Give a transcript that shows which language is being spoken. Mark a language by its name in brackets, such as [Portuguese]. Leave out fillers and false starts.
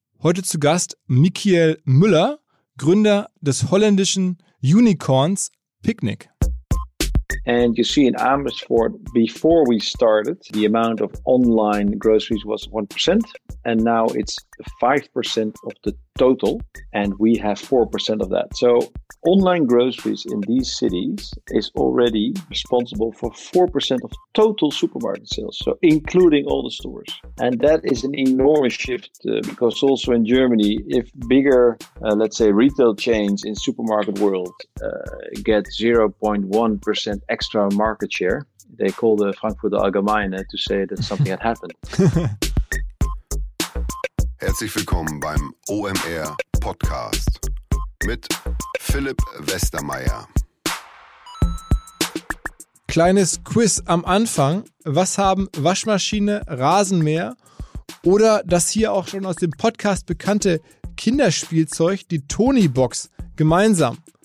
[German] Heute zu Gast Michiel Müller, Gründer des holländischen Unicorns Picnic. [English] And you see in Amersfoort, before we started, the amount of online groceries was 1%. And now it's 5% of the total. And we have 4% of that. So online groceries in these cities is already responsible for 4% of total supermarket sales. So including all the stores. And that is an enormous shift because also in Germany, if bigger, let's say, retail chains in supermarket world get 0.1% extra market share, they call the Frankfurter Allgemeine to say that something had happened. [German] Herzlich willkommen beim OMR Podcast mit Philipp Westermeier. Kleines Quiz am Anfang. Was haben Waschmaschine, Rasenmäher oder das hier auch schon aus dem Podcast bekannte Kinderspielzeug, die Tony-Box, gemeinsam?